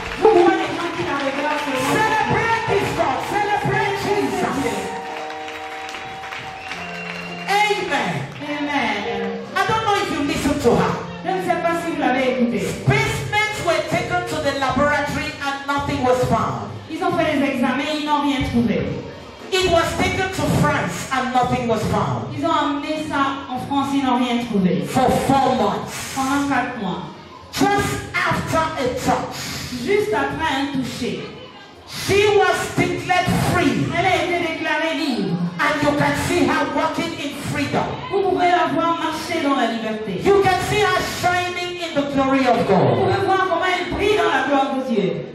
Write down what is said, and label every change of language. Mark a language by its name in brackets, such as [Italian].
[English] Celebrate this God, celebrate Jesus. Amen. Amen. I don't know if you listen to her. Specimens were taken to the laboratory and nothing was found. [French] Ils ont fait les examens, ils n'ont rien trouvé. [English] It was taken to France and nothing was found. [French] Ils ont amené ça en France, ils n'ont rien trouvé. [English] For 4 months. [French] Pendant 4 mois. [English] Just after a touch. [French] Juste après un toucher. [English] She was declared free. [French] Elle a été déclarée libre. [English] And you can see her walking in freedom. [French] Vous pouvez la voir marcher dans la liberté. [English] You can see her shining in the glory of God. [French] Vous pouvez voir comment elle brille dans la gloire de Dieu.